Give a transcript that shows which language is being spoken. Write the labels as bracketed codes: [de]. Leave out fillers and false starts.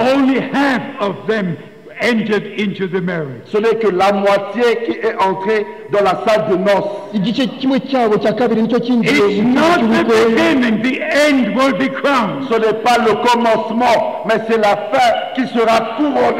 [en] Only half of them entered into the marriage. [fr] Ce n'est que la moitié qui est entrée dans la salle de noces. [en] It's not the beginning, the end will be crowned. [fr] Ce n'est pas le commencement, mais c'est la fin qui sera couronnée.